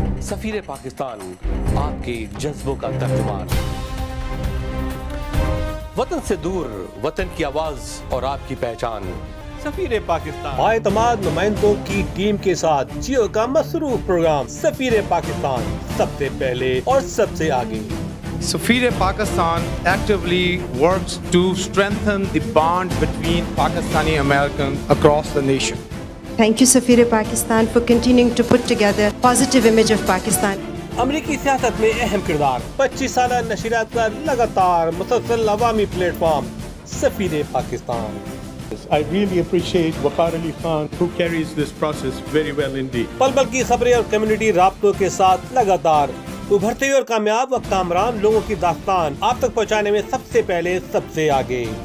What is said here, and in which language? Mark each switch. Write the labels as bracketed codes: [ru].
[ur] سفیر پاکستان آپ کے جذبوں کا ترجمان وطن سے دور وطن کی آواز اور آپ کی پہچان سفیر پاکستان بائے اعتماد نمائندوں کی ٹیم کے ساتھ جیو کا مصروف پروگرام سفیر پاکستان سب سے پہلے اور سب سے آگے [en] Safir Pakistan actually works to strengthen the bond between Pakistani American across the nation Thank you, Safir Pakistan, for continuing to put together a positive image of Pakistan. [ur] امریکی سیاست میں اہم کردار 25 سالہ نشریات کا لگاتار مسلسل عوامی پلیٹ فارم سفیر Pakistan [en] I really appreciate Waqar Ali Khan who carries this process very well indeed. [ur] پل پل کی صبر اور کمیونٹی رابطوں کے ساتھ لگاتار ابھرتے اور کامیاب و کامران لوگوں کی داستان آپ تک پہنچانے میں سب سے پہلے سب سے آگے